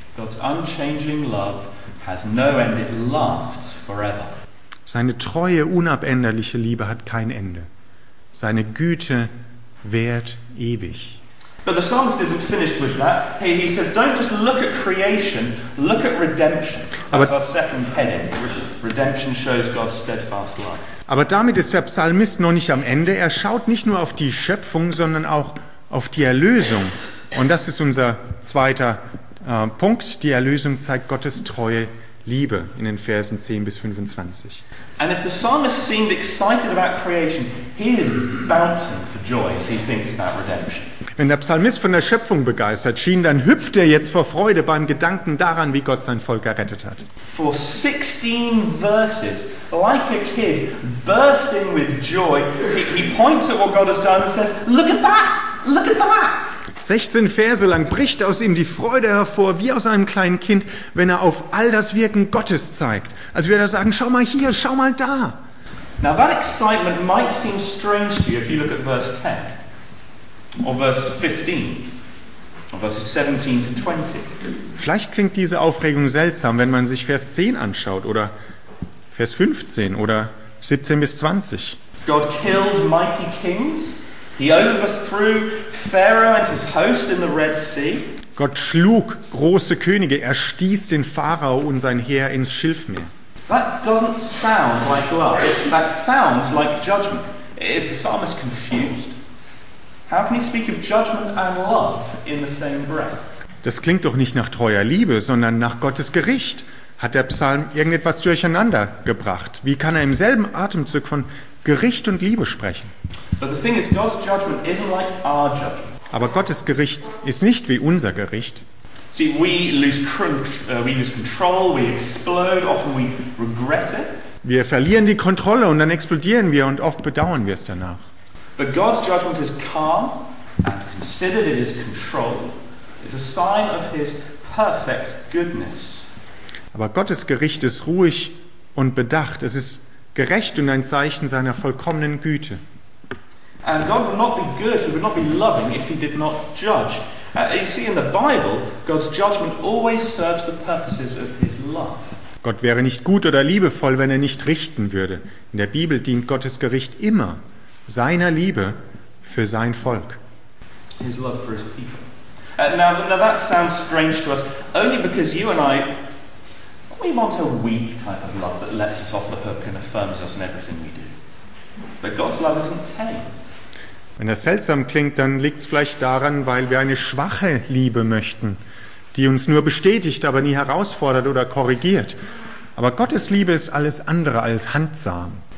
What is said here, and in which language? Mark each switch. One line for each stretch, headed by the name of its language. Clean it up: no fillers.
English: God's unchanging love has no end, it lasts forever.
German: Seine treue, unabänderliche Liebe hat kein Ende. Seine Güte währt ewig.
English: But the psalmist isn't finished with that. He says, don't just look at creation, look at redemption. That's our second heading. Redemption shows God's steadfast love.
German: Aber damit ist der Psalmist noch nicht am Ende. Er schaut nicht nur auf die Schöpfung, sondern auch auf die Erlösung. Und das ist unser zweiter Punkt. Die Erlösung zeigt Gottes treue Liebe in den Versen 10 bis 25.
English: And if the psalmist seemed excited about creation, he is bouncing for joy as he thinks about redemption.
German: Wenn der Psalmist von der Schöpfung begeistert schien, dann hüpft er jetzt vor Freude beim Gedanken daran, wie Gott sein Volk errettet hat.
English: For 16 verses, like a kid bursting with joy, he points at what God has done and says, look at that, look at that.
German: 16 Verse lang bricht aus ihm die Freude hervor, wie aus einem kleinen Kind, wenn er auf all das Wirken Gottes zeigt. Als würde er sagen, schau mal hier, schau mal da.
English: Now that excitement might seem strange to you if you look at verse 10. Or verse 15, or verses 17 to 20.
German: Vielleicht klingt diese Aufregung seltsam, wenn man sich Vers 10 anschaut, oder Vers 15, oder 17 bis 20.
English: God killed mighty kings. He overthrew Pharaoh and his host in the Red Sea.
German: Gott schlug große Könige. Er stieß den Pharao und sein Heer ins Schilfmeer.
English: That doesn't sound like love. That sounds like judgment. Is the psalmist confused? How can he speak of judgment and love in the same breath?
German: Das klingt doch nicht nach treuer Liebe, sondern nach Gottes Gericht. Hat der Psalm irgendetwas durcheinander gebracht? Wie kann er im selben Atemzug von Gericht und Liebe sprechen?
English: But the thing is, God's judgment isn't like our judgment.
German: Aber Gottes Gericht ist nicht wie unser Gericht.
English: See, we lose crunch, we lose control, we explode, often we regret it.
German: Wir verlieren die Kontrolle und dann explodieren wir und oft bedauern wir es danach.
English: But God's judgment is calm and considered, it is controlled. It's a sign of his perfect goodness.
German: Aber Gottes Gericht ist ruhig und bedacht. Es ist gerecht und ein Zeichen seiner vollkommenen Güte.
English: And God would not be good, he would not be loving if he did not judge. You see, in the Bible, God's judgment always serves the purposes of his love.
German: Gott wäre nicht gut oder liebevoll, wenn er nicht richten würde. In der Bibel dient Gottes Gericht immer seiner Liebe für sein Volk.
English: His love for his people. Now that sounds strange to us, only because you and I, we want a weak type of love that lets us off the hook and affirms us in everything we do. But God's love isn't tame.
German: Wenn das seltsam klingt, dann liegt es vielleicht daran, weil wir eine schwache Liebe möchten, die uns nur bestätigt, aber nie herausfordert oder korrigiert. Aber Gottes Liebe ist alles andere als handsam.